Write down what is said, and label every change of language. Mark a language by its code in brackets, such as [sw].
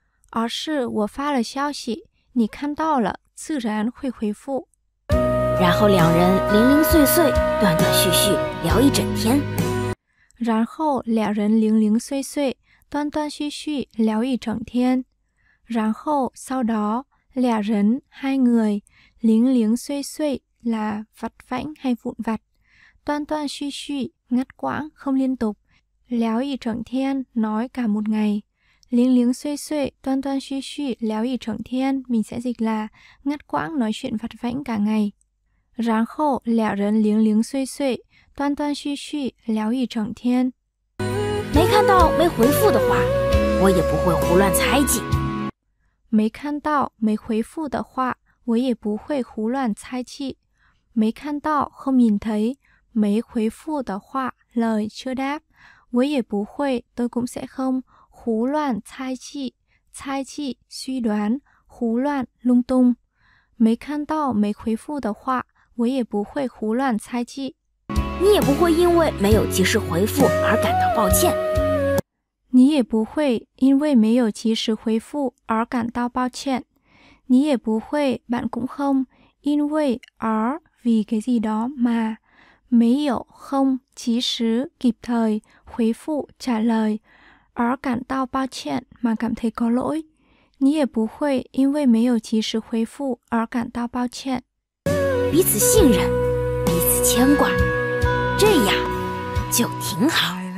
[zh] 而是我发了消息，你看到了自然会回复。然后两人零零碎碎、断断续续聊一整天。然后两人零零碎碎、断断续续聊一整天。 [vi] 然后 sau đó, 两人 hai người, 零零碎碎 là vặt vãnh hay vụn vặt, 断断续续 ngắt quãng không liên tục, 聊一整天 nói cả một ngày. 零零碎碎、断断续续聊一整天 mình sẽ dịch là ngắt quãng nói chuyện vặt vãnh cả ngày. [zh] 然后两人零零碎碎、断断续续聊一整天。没看到没回复的话，我也不会胡乱猜忌。没看到没回复的话，我也不会胡乱猜忌。没看到后面thấy没回复的话 lời chưa đáp, 我也不会 tôi cũng sẽ không 胡乱猜忌、猜忌、 suy đoán、胡乱、 lung tung. 没看到没回复的话。我也不会胡乱猜忌，你也不会因为没有及时回复而感到抱歉。你也不会因为没有及时回复而感到抱歉。 [vi] 你也不会 bạn cũng không, 因为 而 vì cái gì đó mà, 没有 không, 及时 kịp thời, 回复 trả lời, 而感到抱歉 mà cảm thấy có lỗi. [zh] 你也不会因为没有及时回复而感到抱歉。彼此信任，彼此牵挂，这样就挺好。